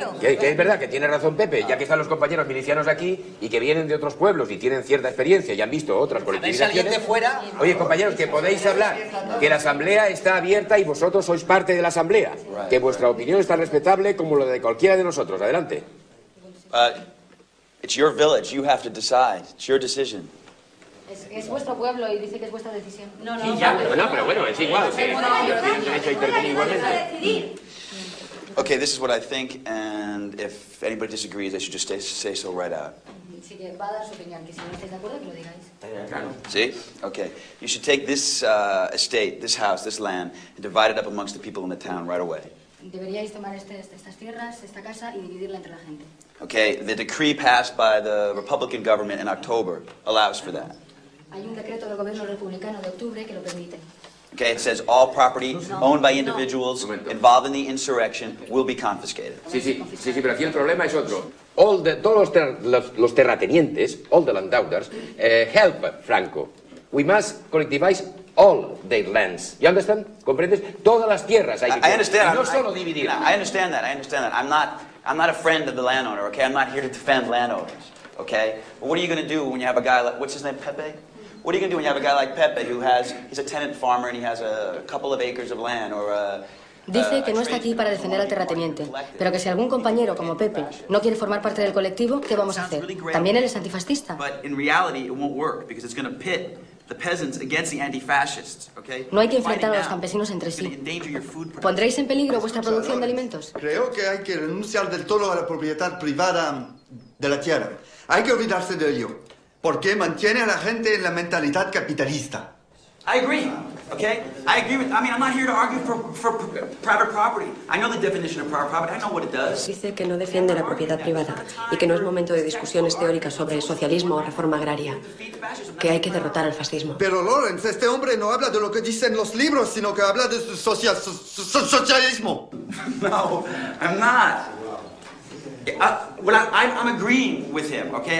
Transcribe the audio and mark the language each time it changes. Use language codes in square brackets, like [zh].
[es] que es verdad que tiene razón Pepe, ya que están los compañeros milicianos aquí y que vienen de otros pueblos y tienen cierta experiencia y han visto otras colectividades. A ver si alguien de fuera... Oye, compañeros, que podéis hablar, que la asamblea está abierta y vosotros sois parte de la asamblea, que vuestra opinión es tan respetable como la de cualquiera de nosotros. Adelante. [en] It's your village, you have to decide, it's your decision. [es] Es vuestro pueblo y dice que es vuestra decisión. No, no. Sí, ya. No, pero bueno, es igual. Sí, no, no, no, tienen derecho a intervenir igualmente. [en] Okay, this is what I think, and if anybody disagrees, they should just say so right out. [es] Sí, que va a dar su opinión, que si no estáis de acuerdo, que lo digáis. Claro. [en] See? Okay. You should take this estate, this house, this land, and divide it up amongst the people in the town right away. [es] Deberíais tomar estas tierras, esta casa, y dividirla entre la gente. [en] Okay, the decree passed by the Republican government in October allows for that. [es] Hay un decreto del gobierno republicano de octubre que lo permite. [en] Okay, it says all property owned by individuals involved in the insurrection will be confiscated. [es] Sí, pero aquí el problema es otro. Todos los terratenientes, [en] all the landowners, help Franco. We must collectivize all their lands. You understand? [es] ¿Comprendes? Todas las tierras hay que... [en] I understand. [es] No solo dividir. [en] I understand that. I'm not a friend of the landowner, okay? I'm not here to defend landowners, okay? But what are you going to do when you have a guy like... What's his name, Pepe? What are you going to do when you have a guy like Pepe who has... He's a tenant farmer and he has a couple of acres of land or a... [es] Dice que no está aquí para defender al terrateniente, pero que si algún compañero como Pepe no quiere formar parte del colectivo, ¿qué vamos a hacer? También él es antifascista. [en] But in reality, it won't work because it's going to pit the peasants against the anti-fascists, okay? [es] No hay que enfrentar a los campesinos entre sí. ¿Pondréis en peligro vuestra producción de alimentos? Creo que hay que renunciar del todo a la propiedad privada de la tierra. Hay que olvidarse de ello, porque mantiene a la gente en la mentalidad capitalista. [en] I agree, okay? I agree with... I mean, I'm not here to argue for private property. I know the definition of private property. I know what it does. [es] Dice que no defiende la propiedad privada y que no es momento de discusiones teóricas sobre socialismo o reforma agraria, que hay que derrotar al fascismo. Pero, Lawrence, este hombre no habla de lo que dicen los libros, sino que habla de socialismo. [en] No, I'm not. I'm agreeing with him, okay?